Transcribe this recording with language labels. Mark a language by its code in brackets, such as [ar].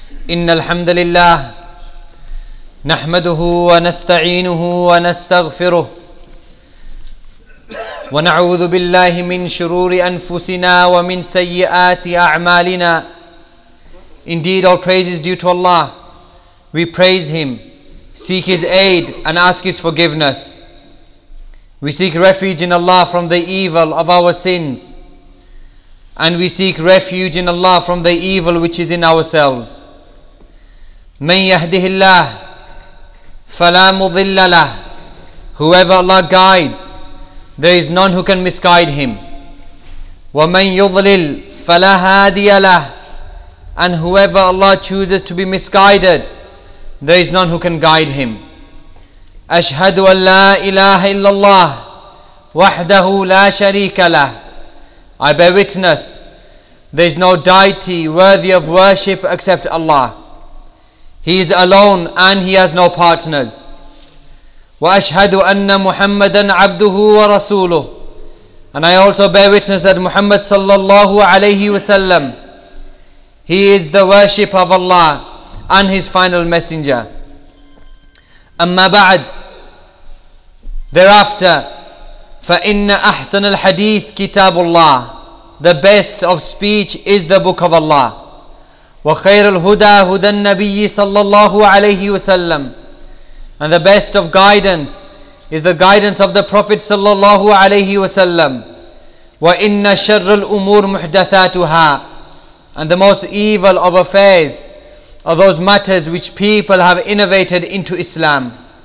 [ar] إن الحمد لله نحمده ونستعينه ونستغفره ونعوذ بالله من شرور أنفسنا ومن سيئات أعمالنا. [en] Indeed, all praise is due to Allah. We praise Him, seek His aid and ask His forgiveness. We seek refuge in Allah from the evil of our sins, and we seek refuge in Allah from the evil which is in ourselves. [ar] من يهده الله فلا مضل له. [en] Whoever Allah guides, there is none who can misguide him. [ar] ومن يضلل فلا هادي له. [en] And whoever Allah chooses to be misguided, there is none who can guide him. [ar] أشهد أن لا إله إلا الله وحده لا شريك له. [en] I bear witness, there is no deity worthy of worship except Allah. He is alone and he has no partners. [ar] وأشهد أن محمدا عبده ورسوله. [en] And I also bear witness that Muhammad [ar] صلى الله عليه وسلم, [en] he is the worship of Allah and his final messenger. [ar] أما بعد, [en] thereafter, [ar] فإن أحسن الحديث كتاب الله. [en] The best of speech is the book of Allah. [ar] وخير الهدى هدى النبي صلى الله عليه وسلم. [en] And the best of guidance is the guidance of the Prophet [ar] صلى الله عليه وسلم. وإن شر الأمور محدثاتها. [en] And the most evil of affairs are those matters which people have innovated into Islam.